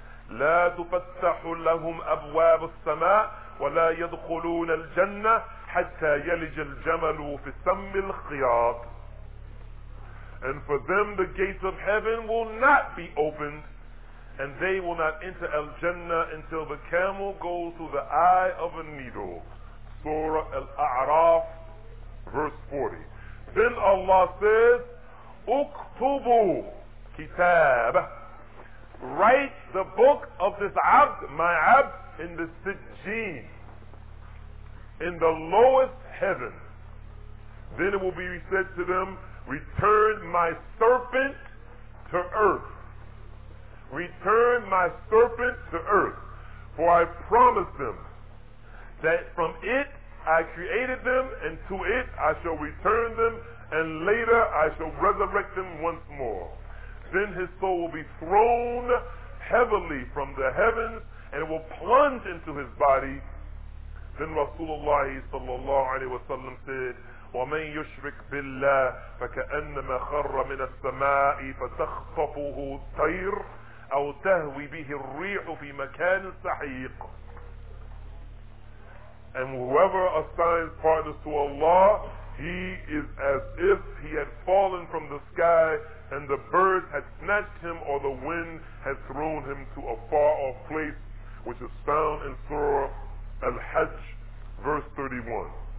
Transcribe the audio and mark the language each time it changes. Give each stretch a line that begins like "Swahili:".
Arabic: لا تفتح لهم ابواب السماء ولا يدخلون الجنة حتى يلج الجمل في سم الخياط.
English: And for them the gates of heaven will not be opened, and they will not enter al-Jannah until the camel goes through the eye of a needle. Surah Al-A'raf, verse 40. Then Allah says, Uktubu kitab. Write the book of this abd, my abd, in the sijjin, in the lowest heaven. Then it will be said to them, return my serpent to earth. Return my serpent to earth. For I promised them that from it I created them, and to it I shall return them, and later I shall resurrect them once more. Then his soul will be thrown heavily from the heavens, and it will plunge into his body. Then Rasulullah sallallahu alayhi wa sallam said,
Arabic: وَمَنْ يُشْرِكْ بِاللَّهِ فَكَأَنَّمَا خَرَّ مِنَ السَّمَاءِ فَتَخْطَفُهُ الطَّيْرُ أَوْ تَهْوِي بِهِ الرِّيحُ فِي مَكَانٍ سَحِيقٍ.
English: And whoever assigns partners to Allah, he is as if he had fallen from the sky and the birds had snatched him or the wind had thrown him to a far off place, which is found in Surah Al-Hajj, verse 31.